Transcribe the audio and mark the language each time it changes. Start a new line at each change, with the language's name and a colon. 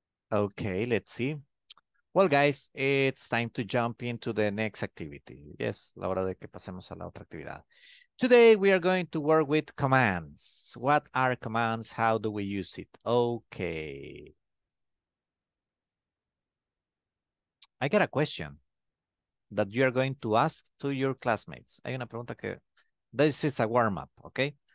English: Okay, let's see. Well, guys, it's time to jump into the next activity.
Spanish: Yes, la hora de que pasemos a la otra actividad.
English: Today, we are going to work with commands. What are commands? How do we use it? Okay. I got a question that you are going to ask to your classmates.
Spanish: Hay una pregunta que...
English: This is a warm-up, okay?